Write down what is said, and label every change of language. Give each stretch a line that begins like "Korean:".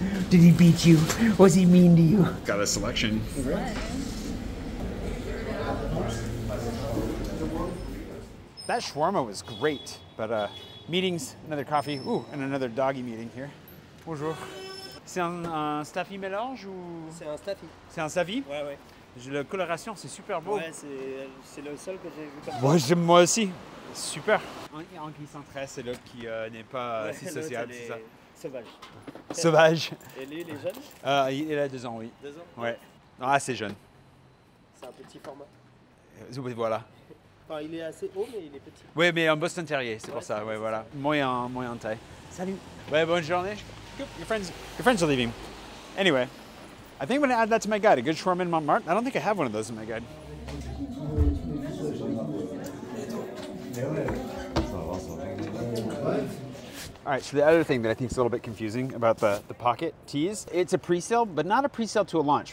English: Did he beat you? Was he mean to you? Got a selection. That shawarma was great, but meetings, another coffee, ooh, and another doggy meeting here. Bonjour.
French: C'est un staffy mélange ou... C'est un staffy. C'est un staffy? Ouais, ouais. J'ai la coloration, c'est super beau. Ouais, c'est le seul que j'ai vu comme ça. Ouais, j'aime moi aussi. Super. En glissant très, c'est l'autre qui n'est pas si sociable, c'est ça. Sauvage. Sauvage. Et lui, il est jeune? Il a 2 ans, oui. 2 ans? Ouais. Non, assez jeune. C'est un petit format. Voilà. Enfin, il est assez haut, mais il est petit. Oui, mais un Boston Terrier, c'est ouais, pour c'est ça. Ouais, voilà. Moyen taille. Salut. Ouais, bonne journée.
English: Your friends are leaving. Anyway. I think I'm gonna add that to my guide, a good shawarma in Montmartre. I don't think I have one of those in my guide. All right, so the other thing that I think is a little bit confusing about the pocket tees, it's a pre-sale, but not a pre-sale to a launch.